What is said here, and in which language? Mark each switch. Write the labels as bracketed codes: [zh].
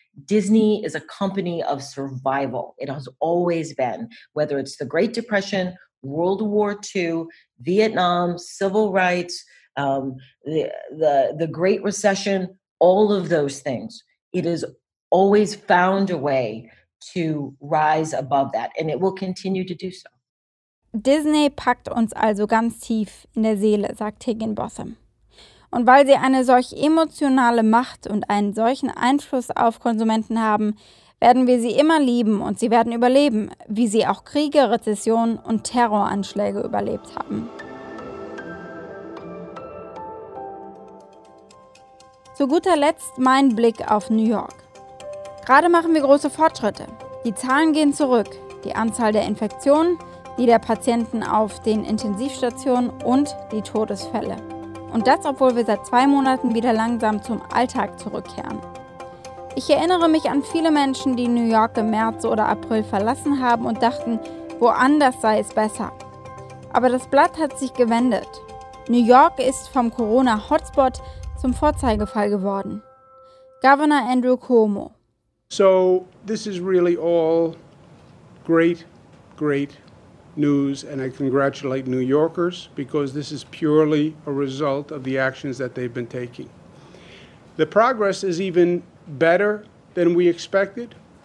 [en] Disney is a company of survival. It has always been, whether it's the Great Depression, World War II, Vietnam, civil rights, the Great Recession, all of those things, it has always found a way to rise above that, and it will continue to do so. [de] Disney packt uns also ganz tief in der Seele, sagt Higginbotham. Und weil sie eine solch emotionale Macht und einen solchen Einfluss auf Konsumenten haben, werden wir sie immer lieben und sie werden überleben, wie sie auch Kriege, Rezessionen und Terroranschläge überlebt haben. Zu guter Letzt mein Blick auf New York. Gerade machen wir große Fortschritte. Die Zahlen gehen zurück. Die Anzahl der Infektionen, die der Patienten auf den Intensivstationen und die Todesfälle. Und das, obwohl wir seit 2 Monaten wieder langsam zum Alltag zurückkehren. Ich erinnere mich an viele Menschen, die New York im März oder April verlassen haben und dachten, woanders sei es besser. Aber das Blatt hat sich gewendet. New York ist vom Corona-Hotspot zum Vorzeigefall geworden. [en] Governor Andrew Cuomo. So, this is really all great, great news, and I congratulate New Yorkers, because this is purely a result of the actions that they've been taking. The progress is even better than we expected.